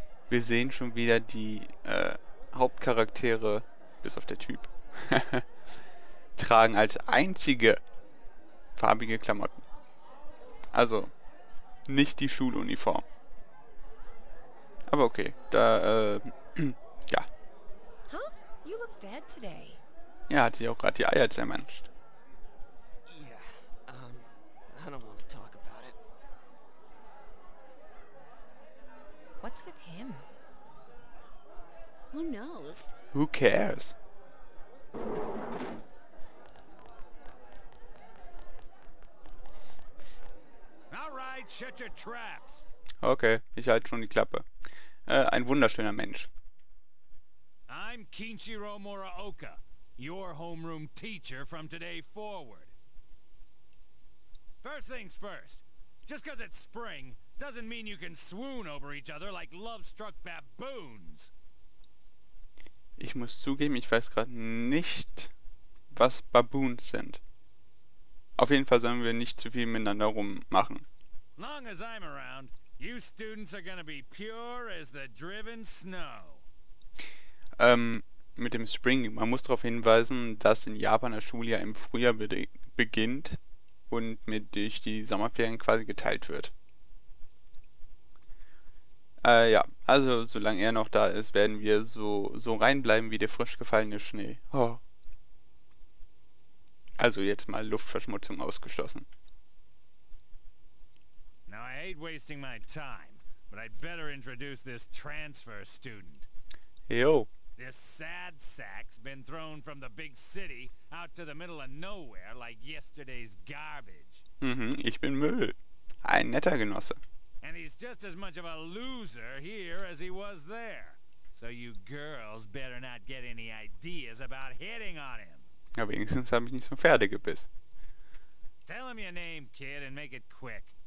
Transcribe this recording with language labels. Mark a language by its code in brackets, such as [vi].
[de] Wir sehen schon wieder die Hauptcharaktere, bis auf der Typ, tragen als einzige farbige Klamotten. Also, nicht die Schuluniform. Aber okay, da, ja. [en] Huh? You look dead today. [de] Ja, hat sich auch gerade die Eier zermanscht. [en] Yeah, I don't want to talk about it. What's with him? Who knows? Who cares? Alright, shut your traps. [de] Okay, ich halte schon die Klappe. Ein wunderschöner Mensch. [en] I'm Kinshiro Muraoka, your homeroom teacher from today forward. First things first. Just because it's spring doesn't mean you can swoon over each other like love-struck baboons. [de] Ich muss zugeben, ich weiß gerade nicht, was Baboons sind. Auf jeden Fall sollen wir nicht zu viel miteinander rummachen. [en] Long as I'm around, you students are gonna be pure as the driven snow. [de] Mit dem Spring, man muss darauf hinweisen, dass in Japan das Schuljahr im Frühjahr beginnt und mit durch die Sommerferien quasi geteilt wird. Ja, also solange er noch da ist, werden wir so reinbleiben wie der frisch gefallene Schnee. Oh. Also jetzt mal Luftverschmutzung ausgeschlossen. [en] Now I hate wasting my time, but I'd better introduce this transfer student. Yo. This sad sack's been thrown from the big city out to the middle of nowhere like yesterday's garbage. [de] Ich bin Müll. Ein netter Genosse. [en] And he's just as much of a loser here as he was there. So you girls better not get any ideas about hitting on him. [de] Ja, wenigstens habe ich nicht zum Pferde gebissen. [en] Tell him your name, kid, and make it quick.